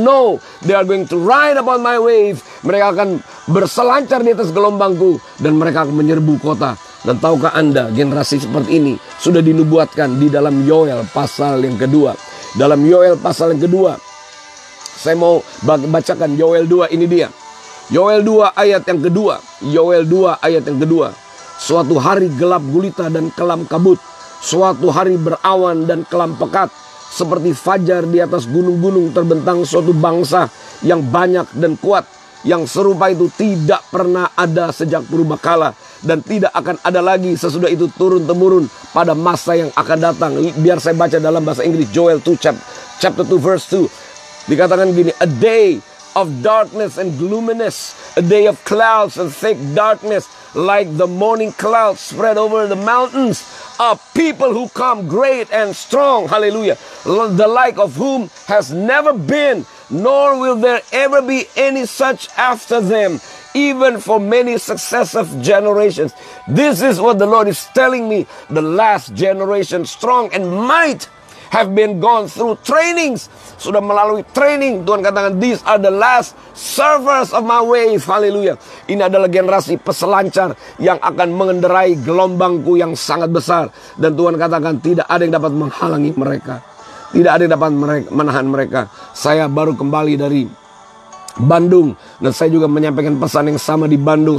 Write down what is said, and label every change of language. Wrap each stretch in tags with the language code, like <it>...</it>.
<en>No, they are going to ride upon my wave.</en> <id>Mereka akan berselancar di atas gelombangku, dan mereka akan menyerbu kota. Dan tahukah Anda, generasi seperti ini sudah dinubuatkan di dalam Yoel pasal yang kedua. Dalam Yoel pasal yang kedua, saya mau bacakan Yoel 2, ini dia. Yoel 2 ayat yang kedua. Suatu hari gelap gulita dan kelam kabut, suatu hari berawan dan kelam pekat, seperti fajar di atas gunung-gunung terbentang suatu bangsa yang banyak dan kuat, yang serupa itu tidak pernah ada sejak purbakala, dan tidak akan ada lagi sesudah itu turun-temurun pada masa yang akan datang. Biar saya baca dalam bahasa Inggris,</id> <en>Joel 2, chapter 2, verse 2.</en> <id>Dikatakan gini,</id> <en>a day of darkness and gloominess, a day of clouds and thick darkness, like the morning clouds spread over the mountains, a people who come great and strong, hallelujah, the like of whom has never been, nor will there ever be any such after them, even for many successive generations. This is what the Lord is telling me. The last generation, strong and might, have been gone through trainings.</en> <id>Sudah melalui training. Tuhan katakan,</id> <en>these are the last servers of my wave. Hallelujah.</en> <id>Ini adalah generasi peselancar yang akan mengendarai gelombangku yang sangat besar. Dan Tuhan katakan, tidak ada yang dapat menghalangi mereka. Tidak ada yang dapat menahan mereka. Saya baru kembali dari Bandung, dan saya juga menyampaikan pesan yang sama di Bandung.</id>